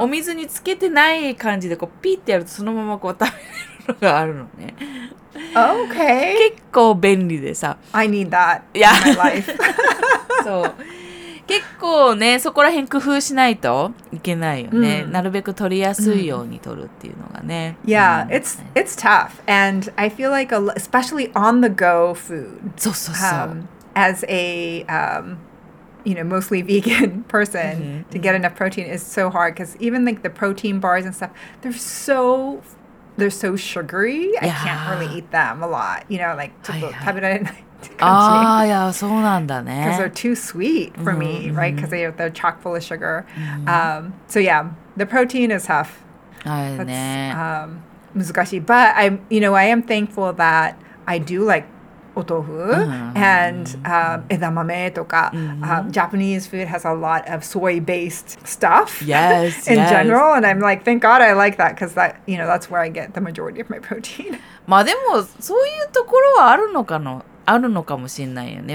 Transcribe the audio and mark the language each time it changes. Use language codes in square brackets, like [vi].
[ja] お水につけてない感じでこうピーってやるとそのままこう食べれるのがあるのね。 [en] Okay. [ja] 結構便利でさ。 [en] I need that in my life. [ja] そう。結構ね、そこら辺工夫しないといけないよね。Mm. なるべく取りやすいように取るっていうのがね。 [en] Yeah,、mm. it's tough. And I feel like, especially on-the-go food. [ja] そうそうそう。 [en] As a...、you know, mostly vegan person mm-hmm, to get enough protein is so hard because even like the protein bars and stuff, they're so sugary. I can't really eat them a lot. You know, like, [ja] ちょっと食べられない。ああ、いや、そうなんだね。 [en] Because they're too sweet for me, mm-hmm. right? Because they're chock full of sugar. Mm-hmm. So yeah, the protein is tough. That's [ja] 難しい。 [en] But I'm, you know, I am thankful that I do like,お豆腐、mm-hmm. and、mm-hmm. [ja] 枝豆とか、 [en] mm-hmm. Japanese food has a lot of soy-based stuff yes, in yes. general and I'm like, thank God I like that because that, you know, that's where I get the majority of my protein. [ja] まあでもそういうところはあるのかもしれないよね。